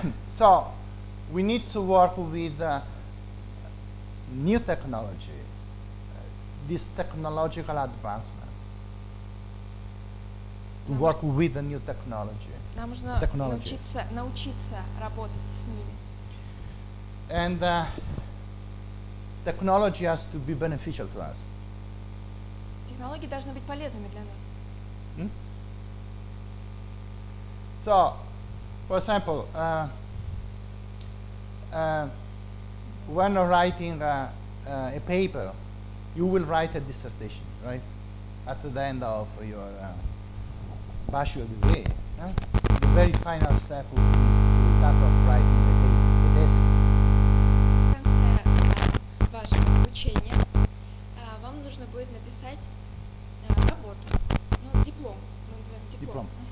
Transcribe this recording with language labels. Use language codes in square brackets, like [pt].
[en] So, we need to work with new technology, this technological advancement, to work with the new technology. [ru] Нам нужно научиться работать с ними. [en] And technology has to be beneficial to us. [ru] Технологии должны быть полезными для нас. [en] So, for example, when writing a paper, you will write a dissertation, right? At the end of your bachelor degree, the very final step would be that of writing the thesis. [ru] В конце вашего обучения вам нужно будет написать работу, ну, диплом, мы называем диплом.